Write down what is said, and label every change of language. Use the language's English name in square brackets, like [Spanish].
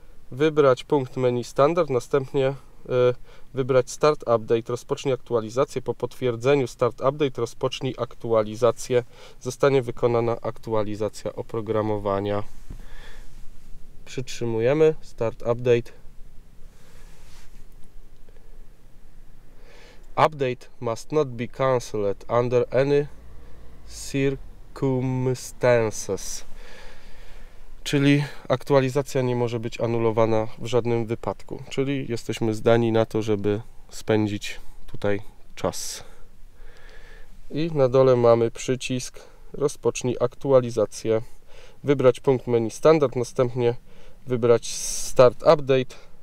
[Polish] Wybrać punkt menu standard. Następnie wybrać start update. Rozpocznij aktualizację. Po potwierdzeniu start update rozpocznij aktualizację. Zostanie wykonana aktualizacja oprogramowania. Przytrzymujemy start update. [English] Update must not be cancelled under any circumstances. [Polish] Czyli aktualizacja nie może być anulowana w żadnym wypadku. Czyli jesteśmy zdani na to, żeby spędzić tutaj czas. I na dole mamy przycisk rozpocznij aktualizację. Wybrać punkt menu standard, następnie wybrać start update.